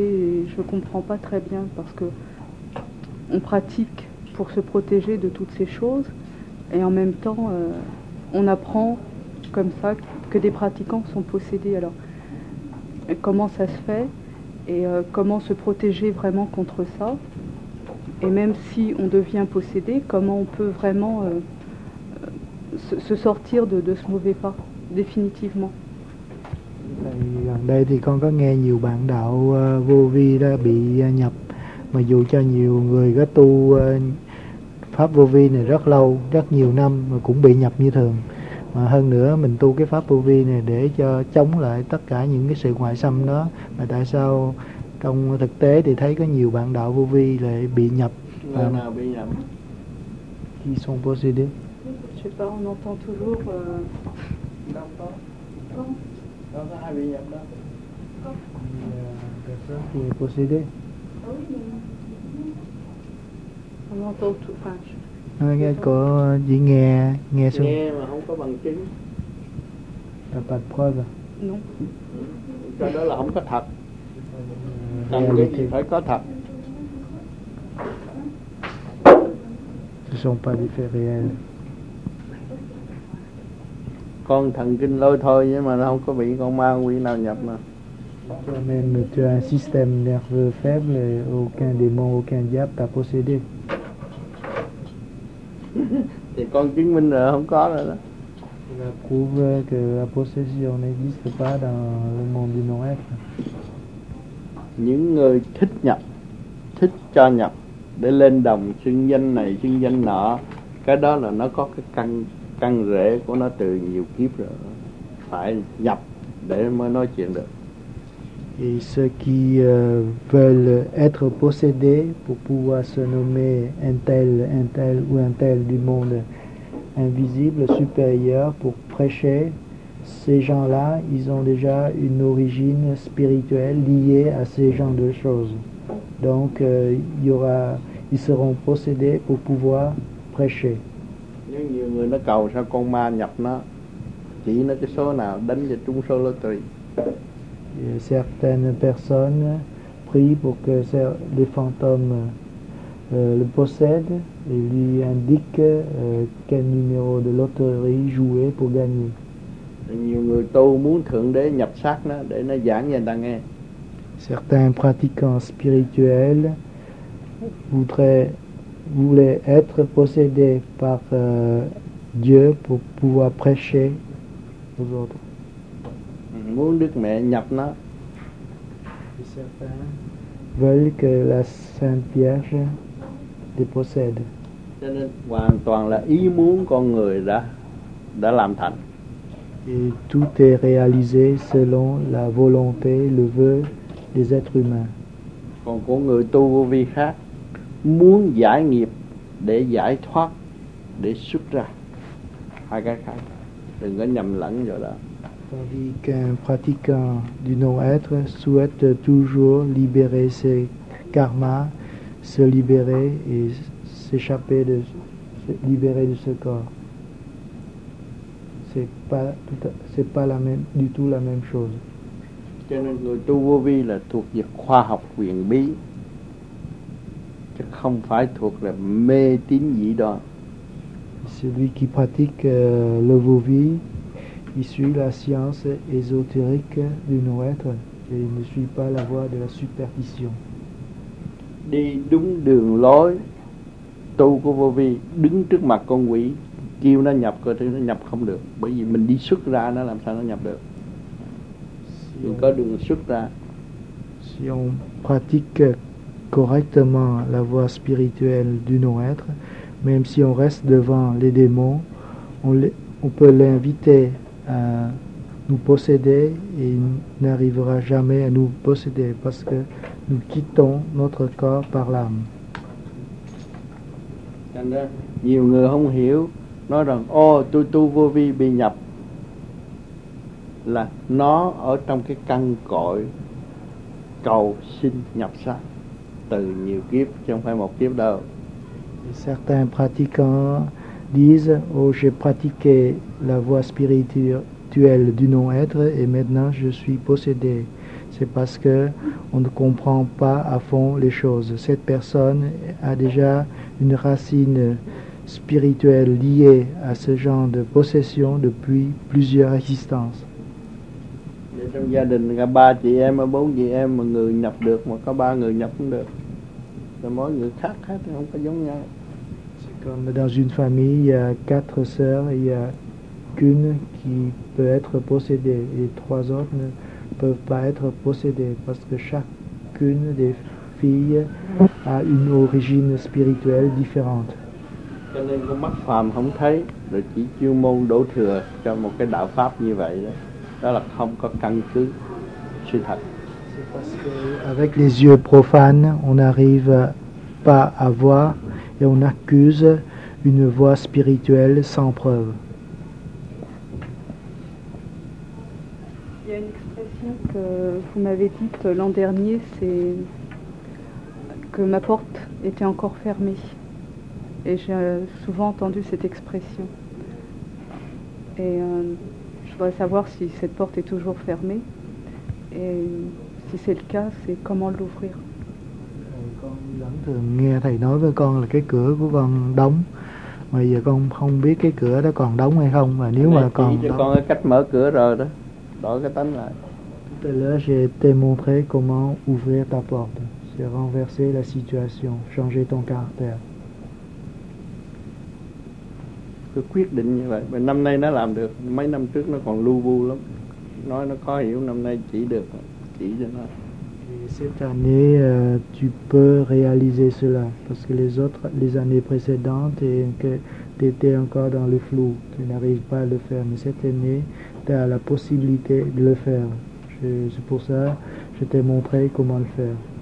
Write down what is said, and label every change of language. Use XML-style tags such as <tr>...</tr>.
<fr>Et je ne comprends pas très bien parce que on pratique pour se protéger de toutes ces choses et en même temps on apprend comme ça que des pratiquants sont possédés. Alors comment ça se fait et comment se protéger vraiment contre ça? Et même si on devient possédé, comment on peut vraiment se sortir de ce mauvais pas, définitivement?</fr> <vi>Gần đây thì con có nghe nhiều bạn đạo vô vi đã bị nhập. Mà dù cho nhiều người có tu pháp vô vi này rất lâu, rất nhiều năm mà cũng bị nhập như thường. Mà hơn nữa mình tu cái pháp vô vi này để cho chống lại tất cả những cái sự ngoại xâm đó. Mà tại sao trong thực tế thì thấy có nhiều bạn đạo vô vi lại bị nhập. Người nào bị nhập?</vi> <fr>Qui sont possédés? Je sais pas, on entend toujours. Non, pas. Non. Non, ça a</fr> <vi>bị nhập đó.</vi> <fr>personne qui est possédée. On entend tout, enfin... Je... Regarde quoi, dis</fr> <vi>nghe, nghe</vi> <fr>sous.</fr> <vi>Nghe,</vi> <fr>mais</fr> <vi>không có bằng chứng.</vi> <fr>T'as pas de preuve? Non.</fr> <vi>Cái đó là không có thật. Cần cái gì thì phải có thật.</vi> <fr>Ce sont pas des faits réels.</fr> <vi>Con thần kinh lôi thôi nhưng mà nó không có bị con ma quỷ nào nhập mà.</vi> <fr>Toi-même, tu as un système nerveux faible et aucun démon, aucun diable t'a possédé.</fr> <vi>Thì con chứng minh là không có rồi đó.</vi> <fr>La prouve que la possession n'existe pas dans le monde du Nord-Est.</fr> <vi>Những người thích nhập, thích cho nhập để lên đồng xưng danh này xưng danh nọ, cái đó là nó có cái căn căn rễ của nó từ nhiều kiếp rồi, phải nhập để mới nói chuyện được.</vi> <fr>Et ceux qui veulent être possédés pour pouvoir se nommer un tel ou un tel du monde invisible supérieur pour prêcher, ces gens-là, ils ont déjà une origine spirituelle liée à ces genres de choses. Donc, il y aura, ils seront possédés pour pouvoir prêcher.</fr> <vi>Nhiều người nó cầu sao con ma nhập nó, chỉ nó cái số nào đánh vào trúng số loterie.</vi> <fr>Et certaines personnes prient pour que les fantômes le possèdent et lui indiquent quel numéro de loterie jouer pour gagner.</fr> <vi>Nhiều người tu muốn thượng đế nhập xác nó để nó giảng cho người ta nghe.</vi> <fr>Certains pratiquants spirituels voulaient être possédés par Dieu pour pouvoir prêcher aux autres.</fr> <vi>Muốn Đức Mẹ nhập nó.</vi> <fr>Certains veulent que la Sainte Vierge les possède.</fr> <vi>Cho nên hoàn toàn là ý muốn con người đã làm thành.</vi> <fr>Et tout est réalisé selon la volonté, le vœu des êtres humains.</fr> <vi>Còn của người tu vô vi khác, muốn giải nghiệp để giải thoát, để xuất ra. Hai cái khác, đừng có nhầm lẫn rồi đó.</vi> <fr>Tandis qu'un pratiquant du non-être souhaite toujours libérer ses karmas, se libérer et s'échapper de, se libérer de ce corps. C'est pas la même, du tout la même chose.</fr> <vi>Cho nên người tu vô vi là thuộc về khoa học huyền bí, chứ không phải thuộc là mê tín dị đoan.</vi> <fr>Celui qui pratique le vô vi, il suit la science ésotérique du non-être et ne suit pas la voie de la superstition.</fr> <vi>Đi đúng đường lối, tu của vô vi đứng trước mặt con quỷ, kêu nó nhập cơ thì nó nhập không được, bởi vì mình đi xuất ra nó làm sao nó nhập được. Mình có đường xuất ra.</vi> <fr>Si on pratique correctement la voie spirituelle du non-être, même si on reste devant les démons, on peut l'inviter à nous posséder et il n'arrivera jamais à nous posséder parce que nous quittons notre corps par l'âme.</fr> <vi>Nhiều người không hiểu, nói rằng ô tôi tu vô vi bị nhập là nó ở trong cái căn cội cầu xin nhập sắc từ nhiều kiếp chứ không phải một kiếp đâu.</vi> <fr>Certains pratiquants disent « Oh, j'ai pratiqué la voie spirituelle du non-être et maintenant je suis possédé. » C'est parce que on ne comprend pas à fond les choses. Cette personne a déjà une racine spirituelle liée à ce genre de possession depuis plusieurs existences.</fr> <vi>Trong gia đình có ba chị em, bốn chị em, một người nhập được, mà có ba người nhập không được. Rồi mỗi người khác hết, không có giống nhau.</vi> <fr>Comme dans une famille, il y a quatre sœurs, il n'y a qu'une qui peut être possédée et trois autres ne peuvent pas être possédées parce que chacune des filles a une origine spirituelle différente.</fr> <vi>Cho nên con mắt phàm không thấy, rồi chỉ chuyên môn đổ thừa cho một cái đạo pháp như vậy đó, đó là không có căn cứ sự thật.</vi> <fr>Avec les yeux profanes, on arrive pas à voir et on accuse une voie spirituelle sans preuve. Il y a une expression que vous m'avez dite l'an dernier, c'est que ma porte était encore fermée. Et j'ai souvent entendu cette expression. Et je voudrais savoir si cette porte est toujours fermée. Et si c'est le cas, c'est comment l'ouvrir.</fr> <vi>Thường nghe thầy nói với con là cái cửa của con đóng, mà giờ con không biết cái cửa đó còn đóng hay không. Và nếu mà còn chỉ cho đóng, con cái cách mở cửa rồi đó, đổi cái tánh lại.</vi> <fr>Tout à l'heure j'ai été montré comment ouvrir ta porte, c'est renverser la situation, changer ton caractère.</fr> <vi>Cứ quyết định như vậy. Mà năm nay nó làm được, mấy năm trước nó còn lu bu lắm, nói nó khó hiểu, năm nay chỉ được, chỉ cho nó.</vi> <fr>Cette année, tu peux réaliser cela, parce que les autres, les années précédentes, tu étais encore dans le flou, tu n'arrives pas à le faire, mais cette année, tu as la possibilité de le faire. C'est pour ça que je t'ai montré comment le faire.</fr>